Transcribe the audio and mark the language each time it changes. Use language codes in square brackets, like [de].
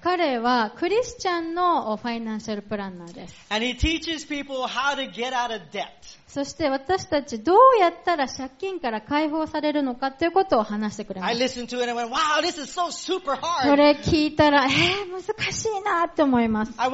[ja] 彼はクリスチャンのファイナンシャルプランナーです。 [en] And he teaches people how to get out of debt. [ja] そして私たちどうやったら借金から解放されるのかということを話してくれました。それ聞いたら、難しいなって思います。